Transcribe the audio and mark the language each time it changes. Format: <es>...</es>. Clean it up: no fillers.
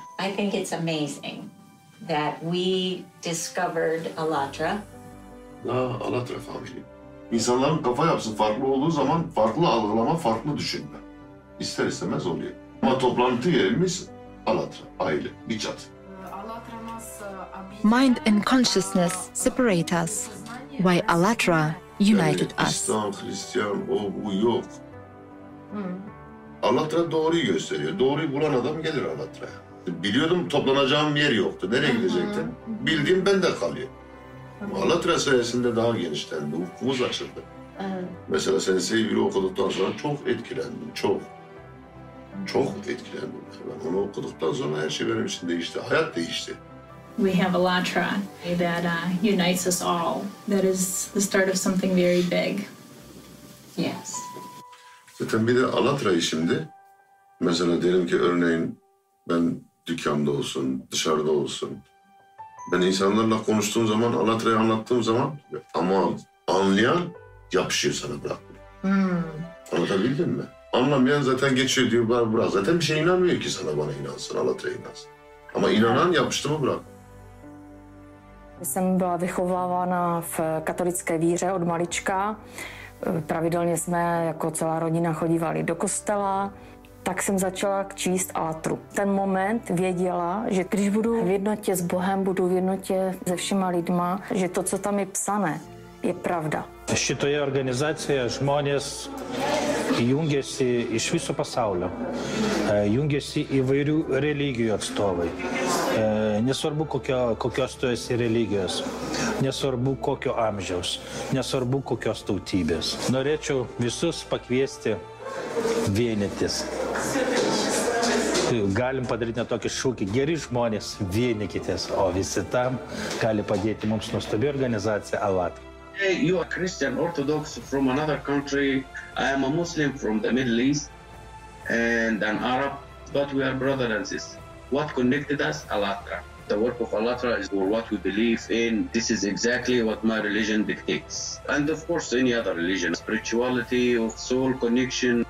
<en>I think it's amazing that we discovered Alatra. Alatra family.</en> <tr>İnsanların kafa yapısı farklı olduğu zaman farklı algılama, farklı düşünme. İster istemez oluyor. Ama toplantı yerimiz Alatra, aile, bir çatı.</tr> <en>Mind and consciousness separate us, while Alatra united us.</en> <tr>İslam, Hristiyan, o bu yok. Alatra doğruyu gösteriyor. Doğruyu bulan adam gelir Alatra'ya. Biliyordum toplanacağım yer yoktu. Nereye gidecektim? Bildiğim ben de kalıyor. Alatra sayesinde daha genişlendi, ufkumuz açıldı. Mesela seni sevgili okuduktan sonra çok etkilendim, çok. Çok etkilendim. Ben onu okuduktan sonra her şey benim için değişti, hayat değişti.</tr> <en>We have Alatra that unites us all. That is the start of something very big. Yes.</en> <tr>Zaten bir de Alatra'yı şimdi, mesela diyelim ki örneğin ben dükkanda olsun, dışarıda olsun. Ben insanlarla konuştuğum zaman, Alatra'yı anlattığım zaman ama anlayan yapışıyor sana bırakmıyor. Anlatabildim mi? Anlamayan zaten geçiyor diyor bana bırak. Zaten bir şey inanmıyor ki sana bana inansın, Alatra'ya inansın. Ama inanan yapıştı mı bırak.</tr> <cs>Jsem byla vychovávána v katolické víře od malička. Pravidelně jsme jako celá rodina chodívali do kostela. Tak jsem začala číst Alatru. Ten moment věděla, že když budu v jednotě s Bohem, budu v jednotě se všema lidma, že to, co tam je psané, je pravda.</cs> <lt>Šitoje organizace žmonės jungiasi iš viso pasaulio. Jungiasi įvairių religijų atstovai. Nesvarbu, kokios tu esi religijos, nesvarbu, kokio amžiaus, nesvarbu, kokios tautybės. Norėčiau visus pakviesti vienytis. Galim padaryti net tokį šūkį. Geri žmonės, vienykitės, o visi tam gali padėti mums nuostabi organizacija Alat.</lt> <en>You are Christian Orthodox from another country. I am a Muslim from the Middle East and an Arab, but we are brother and sister. What connected us? Alatra. The work of Alatra is for what we believe in. This is exactly what my religion dictates. And of course, any other religion, spirituality of soul connection.</en>